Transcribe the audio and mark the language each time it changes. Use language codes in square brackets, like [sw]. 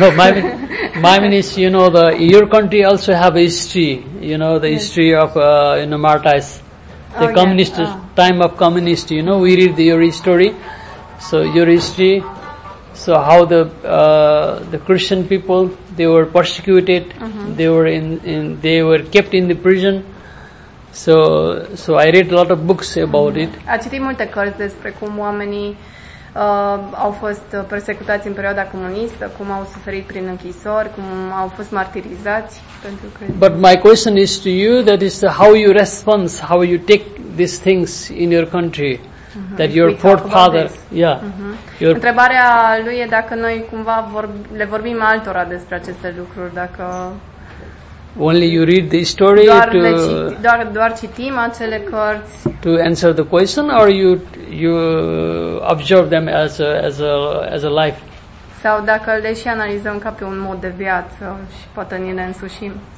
[en] No, my meaning is, you know, your country also have a history, you know, the history of, you know, martyrs, the communist, time of communist, you know, we read your history, so your history, so how the Christian people, they were persecuted, mm-hmm. they were they were kept in the prison. So I read a lot of books about mm-hmm. it. [ro] A citit multe cărți despre cum oamenii au fost persecutați în perioada comunistă, cum au suferit prin închisori, cum au fost martirizați pentru credință. [en] But my question is to you, that is how you respond, how you take these things in your country, mm-hmm. that your forefather, yeah. Mm-hmm. [ro] Întrebarea lui e dacă noi cumva le vorbim altora despre aceste lucruri, dacă [en] only you read the story [ro] doar citim acele cărți [en] to answer the question or you observe them as a life. [ro] Sau dacă le și analizăm ca pe un mod de viață și poate ni le însușim.